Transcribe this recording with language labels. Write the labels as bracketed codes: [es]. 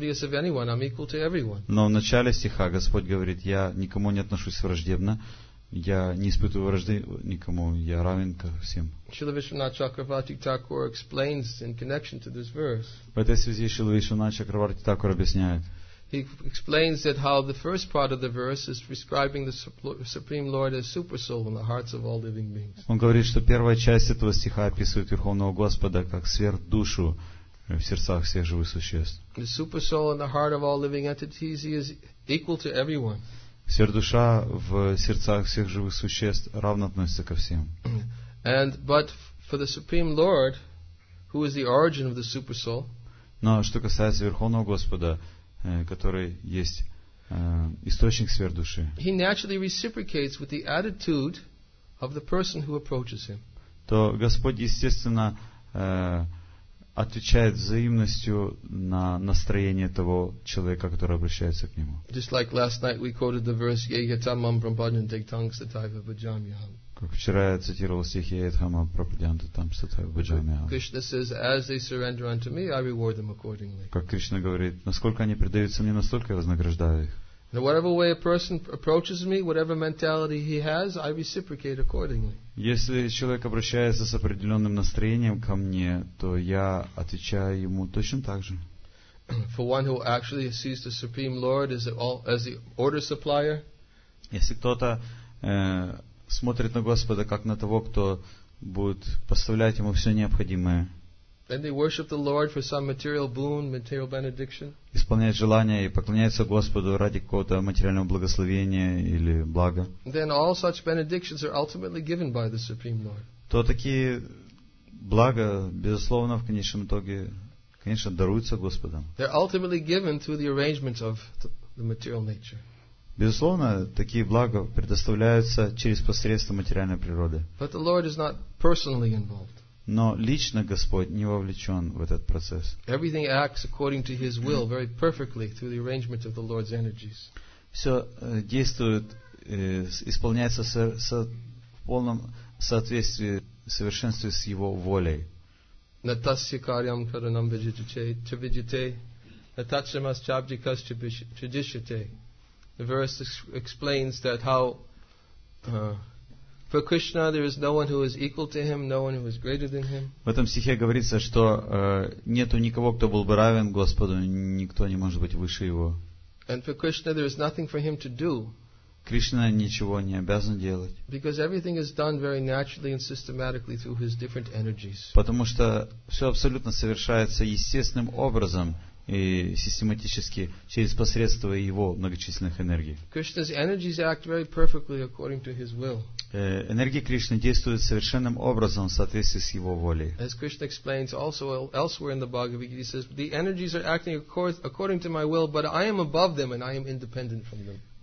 [ru] Но в начале стиха Господь говорит, я никому не отношусь враждебно, я не испытываю вражды никому, я равен ко всем. [en] Шрила Вишванатха Чакраварти Такур explains in connection to this verse. [ru] В этой связи Шрила Вишванатха Чакраварти Такур объясняет. [en] He explains that how the first part of the verse is describing the Supreme Lord as super soul in the hearts of all living beings. [ru] Он говорит, что первая часть этого стиха описывает Верховного Господа как сверхдушу в сердцах всех живых существ. [en] The super soul in the heart of all living entities, he is equal to everyone. [ru] Сверхдуша в сердцах всех живых существ равно относится ко всем. [en] And but for the Supreme Lord, who is the origin of the super soul? [ru] Но что касается Верховного Господа, который есть источник сверхдуши. [en] He naturally reciprocates with the attitude of the person who approaches him. [ru] То Господь естественно отвечает взаимностью на настроение того человека, который обращается к нему. [en] Just like last night we quoted the verse [sa] Yayatamam Prabhupada Diktang Sattva Bhajamyam. [ru] Как вчера я цитировал стихи [sa] Yayatamam Prabhupada там Sattva Bhajamyam. [en] Krishna says, as they surrender unto me, I reward them accordingly. [ru] Как Кришна говорит, насколько они предаются мне, настолько я вознаграждаю их. [en] In whatever way a person approaches me, whatever mentality he has, I reciprocate accordingly. [ru] Если человек обращается с определенным настроением ко мне, то я отвечаю ему точно так же. [en] For one who actually sees the Supreme Lord as the order supplier. [ru] Если кто-то смотрит на Господа как на того, кто будет поставлять ему все необходимое. [en] Then they worship the Lord for some material boon, material benediction. [ru] Исполняют желания и поклоняются Господу ради какого-то материального благословения или блага. [en] Then all such benedictions are ultimately given by the Supreme Lord. [ru] То такие блага, безусловно, в конечном итоге, конечно, даруются Господом. [en] They're ultimately given through the arrangements of the material nature. [ru] Безусловно, такие блага предоставляются через посредство материальной природы. [en] But the Lord is not personally involved. [ru] Но лично Господь не вовлечен в этот процесс. [en] Everything acts according to His will, very perfectly through the arrangement of the Lord's energies. [ru] Все действует, исполняется в полном соответствии, совершенствуя с Его волей. [sa] Натасья карьям каранам виджите, натачамас чабдикас чабдишите. [en] The verse explains that how for Krishna, there is no one who is equal to him, no one who is greater than him. [ru] В этом стихе говорится, что нету никого, кто был бы равен Господу, никто не может быть выше его. [en] And for Krishna, there is nothing for him to do. [ru] Кришна ничего не обязан делать. [en] Because everything is done very naturally and systematically through his different energies. [ru] Потому что все абсолютно совершается естественным образом и систематически через посредство его многочисленных энергий. Энергия Кришны действует совершенным образом в соответствии с его волей. [en] As Krishna explains also elsewhere in the Bhagavad Gita, he says the energies are acting according to my will, but I am above them and I am independent from them.